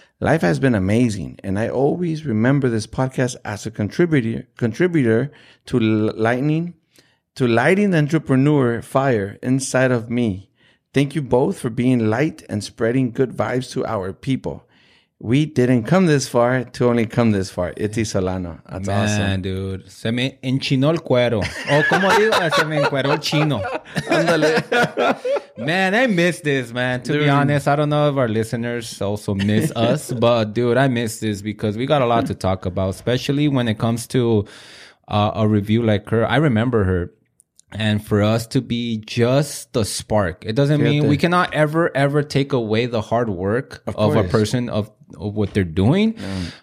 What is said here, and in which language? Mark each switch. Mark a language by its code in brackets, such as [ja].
[en] Life has been amazing, and I always remember this podcast as a contributor to lighting the entrepreneur fire inside of me. Thank you both for being light and spreading good vibes to our people. We didn't come this far to only come this far. Itzy Solano. That's man, awesome. Man, dude. [es] Se me enchinó el cuero. Oh, como digo, se me encueró el chino. Ándale. [en] Man, I miss this, man. To be honest, I don't know if our listeners also miss us. But, dude, I miss this because we got a lot to talk about, especially when it comes to a review like her. I remember her. And for us to be just the spark, it doesn't mean we cannot ever, ever take away the hard work of a person of what they're doing. Mm.